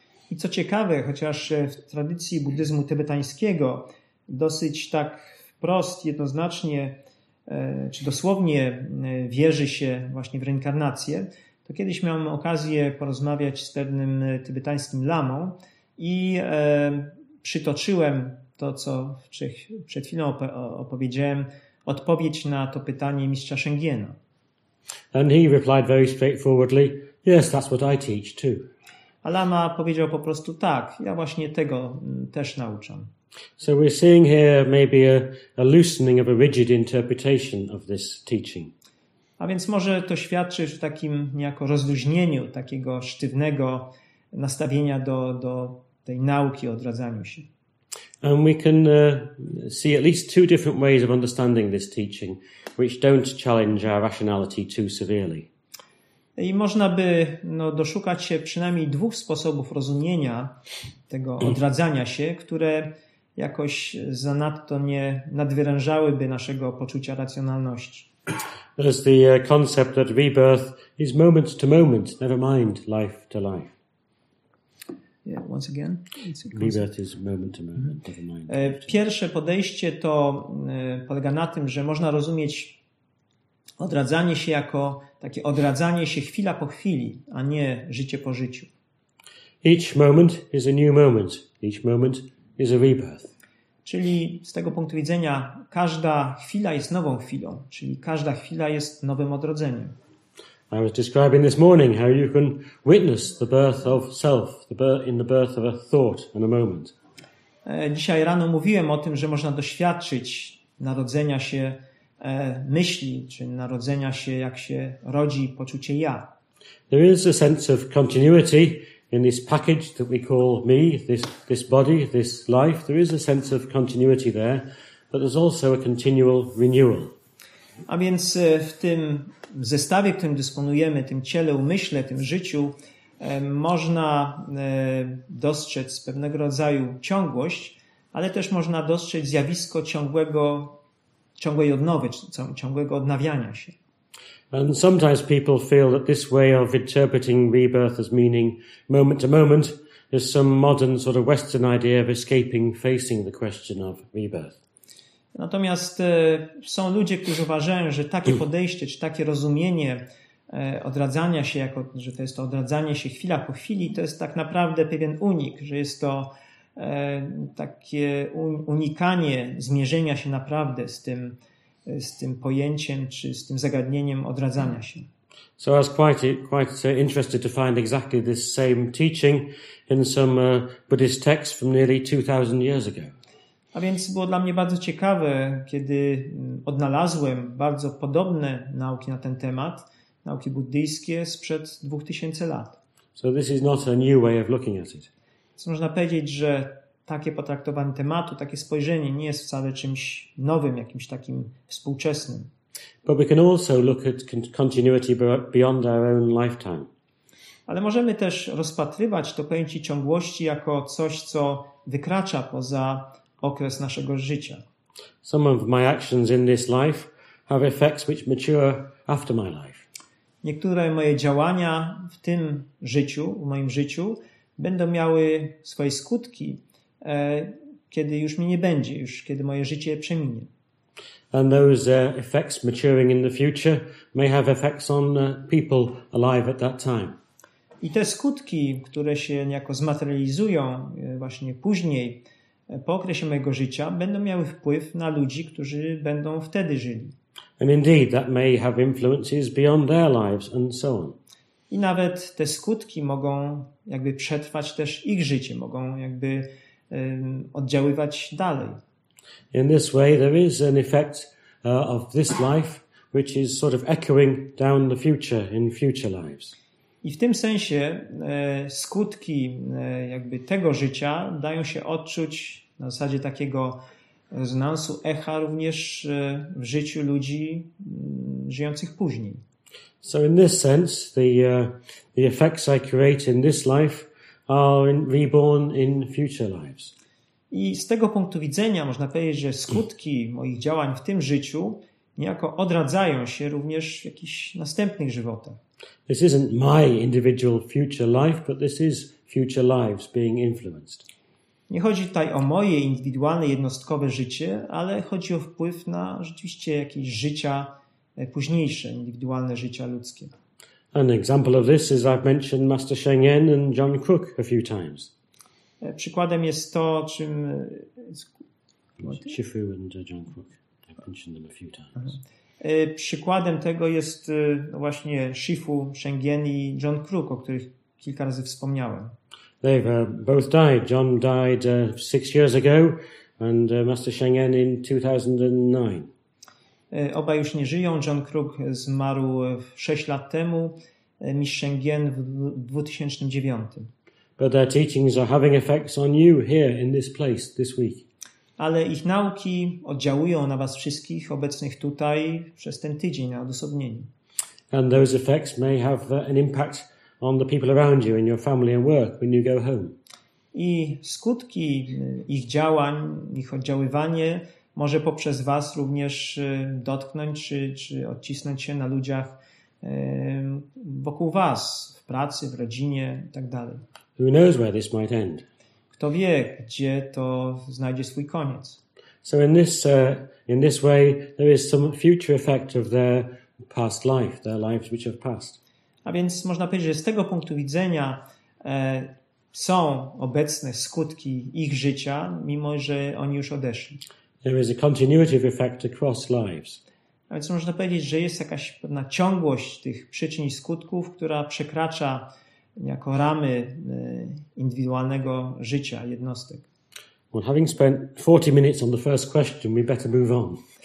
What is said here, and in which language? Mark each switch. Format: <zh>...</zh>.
<pl>I co ciekawe, chociaż w tradycji buddyzmu tybetańskiego dosyć tak wprost, jednoznacznie, czy dosłownie wierzy się właśnie w reinkarnację, to kiedyś miałem okazję porozmawiać z pewnym tybetańskim lamą i przytoczyłem to, co przed chwilą opowiedziałem, odpowiedź na to pytanie mistrza Shengena.</pl> <en>And he replied very straightforwardly, yes, that's what I teach too.</en> <pl>A lama powiedział po prostu tak, ja właśnie tego też nauczam.</pl> <en>So we're seeing here maybe a loosening of a rigid interpretation of this teaching.</en> <pl>A więc może to świadczy o takim niejako rozluźnieniu takiego sztywnego nastawienia do tej nauki o odradzaniu się.</pl> <en>And we can see at least two different ways of understanding this teaching, which don't challenge our rationality too severely.</en> <pl>I można by doszukać się przynajmniej dwóch sposobów rozumienia tego odradzania się, które jakoś zanadto nie nadwyrężałyby naszego poczucia racjonalności.</pl> <en>There's the concept that rebirth is moment to moment, never mind life to life. Yeah, once again. Rebirth is moment to moment, never mind.</en> <pl>Pierwsze podejście to polega na tym, że można rozumieć odradzanie się jako takie odradzanie się chwila po chwili, a nie życie po życiu.</pl> <en>Each moment is a new moment. Each moment is a rebirth.</en> <pl>Czyli z tego punktu widzenia każda chwila jest nową chwilą, czyli każda chwila jest nowym odrodzeniem.</pl> <en>I was describing this morning how you can witness the birth of self, in the birth of a thought and a moment.</en> <pl>Dzisiaj rano mówiłem o tym, że można doświadczyć narodzenia się myśli, czy narodzenia się, jak się rodzi poczucie ja.</pl> <en>There is a sense of continuity in this package that we call me, this body, this life. There is a sense of continuity there, but there's also a continual renewal.</en> <pl>A więc w tym zestawie, którym dysponujemy, tym ciele, umyśle, tym życiu, można dostrzec pewnego rodzaju ciągłość, ale też można dostrzec zjawisko ciągłej odnowy, ciągłego odnawiania się.</pl> <en>And sometimes people feel that this way of interpreting rebirth as meaning moment to moment is some modern sort of Western idea of escaping facing the question of rebirth.</en> <pl>Natomiast są ludzie, którzy uważają, że takie podejście czy takie rozumienie odradzania się, jako że to jest to odradzanie się chwila po chwili, to jest tak naprawdę pewien unik, że jest to takie unikanie zmierzenia się naprawdę z tym pojęciem czy z tym zagadnieniem odradzania się.</pl> <en>So I was quite interested to find exactly this same teaching in some Buddhist text from nearly 2000 years ago.</en> <pl>A więc było dla mnie bardzo ciekawe, kiedy odnalazłem bardzo podobne nauki na ten temat, nauki buddyjskie sprzed 2000 lat.</pl> <en>So this is not a new way of looking at it.</en> <pl>Więc można powiedzieć, że takie potraktowanie tematu, takie spojrzenie nie jest wcale czymś nowym, jakimś takim współczesnym.</pl> <en>But we can also look at continuity beyond our own lifetime.</en> <pl>Ale możemy też rozpatrywać to pojęcie ciągłości jako coś, co wykracza poza okres naszego życia.</pl> <en>Some of my actions in this life have effects which mature after my life.</en> <pl>Niektóre moje działania w tym życiu, w moim życiu, będą miały swoje skutki, kiedy już mnie nie będzie, już kiedy moje życie przeminie.</pl> <en>And those effects maturing in the future may have effects on people alive at that time.</en> <pl>I te skutki, które się niejako zmaterializują właśnie później, po okresie mojego życia, będą miały wpływ na ludzi, którzy będą wtedy żyli.</pl> <en>And indeed, that may have influences beyond their lives and so on.</en> <pl>I nawet te skutki mogą jakby przetrwać też ich życie, mogą jakby oddziaływać dalej.</pl> <en>In this way there is an effect of this life which is sort of echoing down the future in future lives.</en> <pl>I w tym sensie skutki jakby tego życia dają się odczuć na zasadzie takiego rezonansu echa również w życiu ludzi żyjących później.</pl> <en>So in this sense the effects I create in this life are reborn in future lives.</en> <pl>I z tego punktu widzenia można powiedzieć, że skutki moich działań w tym życiu niejako odradzają się również w jakichś następnych żywotach.</pl> <en>This isn't my individual future life, but this is future lives being influenced.</en> <pl>Nie chodzi tutaj o moje indywidualne, jednostkowe życie, ale chodzi o wpływ na rzeczywiście jakieś życia późniejsze, indywidualne życia ludzkie.</pl> <en>An example of this is I've mentioned Master Sheng Yen and John Crook a few times.</en> <pl>Przykładem jest to, czym...</pl> <en>Chifu and John Crook. I've mentioned them a few times.</en> <pl>Przykładem tego jest właśnie Shifu, Sheng Yen i John Crook, o których kilka razy wspomniałem.</pl> <en>They've both died. John died 6 years ago and Master Sheng Yen in 2009.</en> <pl>Obaj już nie żyją. John Crook zmarł 6 lat temu. Mistrz Sheng Yen w 2009.</pl> <en>But their teachings are having effects on you here in this place this week.</en> <pl>Ale ich nauki oddziałują na was wszystkich obecnych tutaj przez ten tydzień na odosobnieniu.</pl> <en>And those effects may have an impact on the people around you in your family and work when you go home.</en> <pl>I skutki ich działań, ich oddziaływanie może poprzez was również dotknąć czy odcisnąć się na ludziach wokół was w pracy, w rodzinie i tak dalej.</pl> <en>Who knows where this might end?</en> <pl>Kto wie, gdzie to znajdzie swój koniec.</pl> <en>So in this way there is some future effect of their past life, their lives which have passed.</en> <pl>A więc można powiedzieć, że z tego punktu widzenia są obecne skutki ich życia, mimo że oni już odeszli.</pl> <en>There is a continuity of effect across lives.</en> <pl>A więc można powiedzieć, że jest jakaś pewna ciągłość tych przyczyn i skutków, która przekracza jako ramy indywidualnego życia jednostek.</pl> <en>Well, having spent 40 minutes on the first question, we better move on.</en>